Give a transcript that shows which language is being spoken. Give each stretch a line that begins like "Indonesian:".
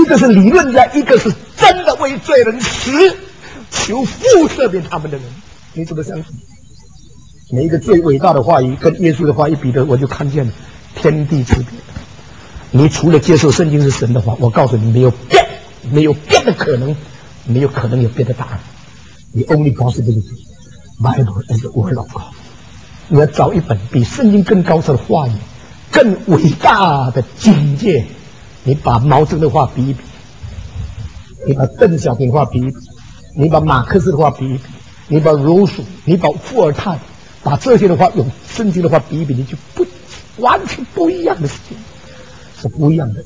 Chinese: 一个是理论家，一个是真的为罪人死，求父赦免他们的人，你怎么相信？每一个最伟大的话语跟耶稣的话一比的，我就看见了。天地之别，你除了接受圣经是神的话，我告诉你，没有别的可能，没有可能有别的答案。
English: The only possibility, Bible is the word of God。
Chinese: 你要找一本比圣经更高深的话语，更伟大的境界，你把毛泽东的话比一比，你把邓小平的话比一比，你把马克思的话比一比，你把罗素，你把伏尔泰，把这些的话用圣经的话比一比，你就不完全不一样的事情，是不一样的。